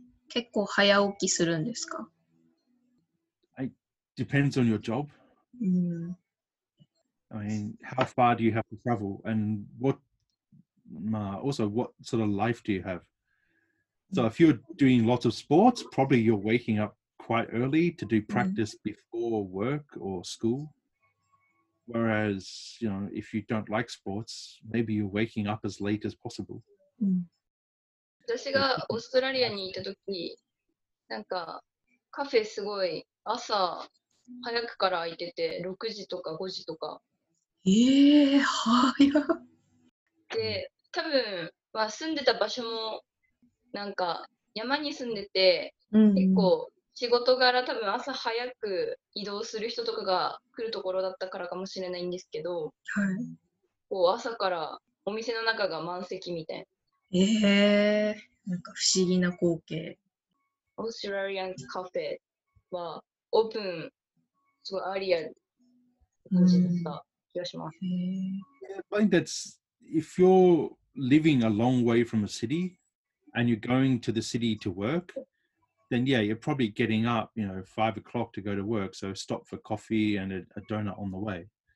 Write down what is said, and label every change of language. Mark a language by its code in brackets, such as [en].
[ja] 結構早起きするんですか? [en] It depends on your job. I mean, how far do you have to travel? And what, also, what sort of life do you have? So if you're doing lots of sports, probably you're waking upquite early to do practice before work or school. Whereas, you know, if you don't like sports, maybe you're waking up as late as possible. [ja] 私がオーストラリアにいた時、なんかカフェすごい朝早くから開いてて、6時とか5時とか。早っ。で、多分、まあ、住んでた場所もなんか山に住んでて、結構仕事柄多分朝早く移動する人とかが来るところだったからかもしれないんですけど、はい、こう朝からお店の中が満席みたいな。なんか不思議な光景。オーストラリアンカフェはオープンすごいアリアな感じだった気がします。 [en] I think that's if you're living a long way from a city and you're going to the city to work, then yeah, you're probably getting up, you know, 5 o'clock to go to work. So stop for coffee and a donut on the way.